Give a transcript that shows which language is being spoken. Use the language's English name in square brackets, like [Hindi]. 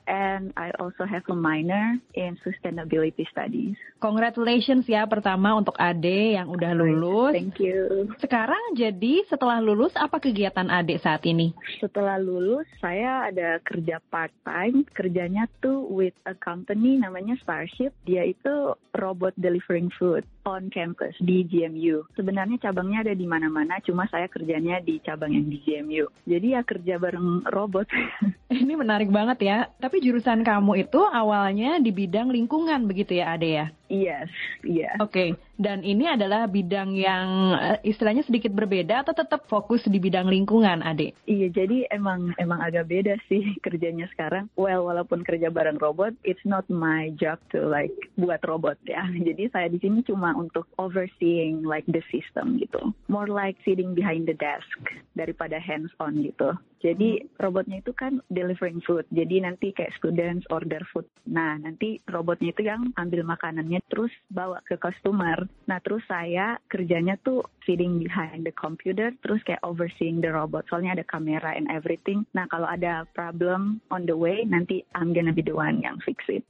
[English] And I also have a minor in Sustainability Studies. [Indonesian] Congratulations ya, pertama untuk Ade yang udah lulus. [English] Thank you. [Indonesian] Sekarang, jadi setelah lulus, apa kegiatan Ade saat ini? Setelah lulus, saya ada kerja part-time. Kerjanya tuh [English] with a company [Indonesian] namanya Starship. Dia itu [English] robot delivering food on campus [Indonesian] di GMU. Sebenarnya cabangnya ada di mana-mana, cuma saya kerjanya di cabang yang di GMU. Jadi ya kerja bareng robot. Ini menarik banget ya. Tapi jurusan kamu itu awalnya di bidang lingkungan begitu ya, Ade ya? [English] Yes, yes. [Indonesian] Oke. Dan ini adalah bidang yang istilahnya sedikit berbeda atau tetap fokus di bidang lingkungan, Ade? Iya, jadi emang agak beda sih kerjanya sekarang. [English] Well, [Indonesian] walaupun kerja bareng robot, [English] it's not my job to like [Indonesian] buat robot ya. Jadi saya di sini cuma untuk [English] overseeing like the system [Indonesian] gitu. [English] More like sitting behind the desk daripada hands on gitu. [Indonesian] Jadi robotnya itu kan [English] delivering food. [Indonesian] Jadi nanti kayak [English] students order food. [Indonesian] Nah, nanti robotnya itu yang ambil makanannya terus bawa ke customer. Nah, terus saya kerjanya tuh [English] sitting behind the computer [Indonesian] terus kayak [English] overseeing the robot. [Indonesian] Soalnya ada kamera [English] and everything. [Indonesian] Nah, kalau ada [English] problem on the way, [Indonesian] nanti [English] I'm gonna be the one [Indonesian] yang [English] fix it.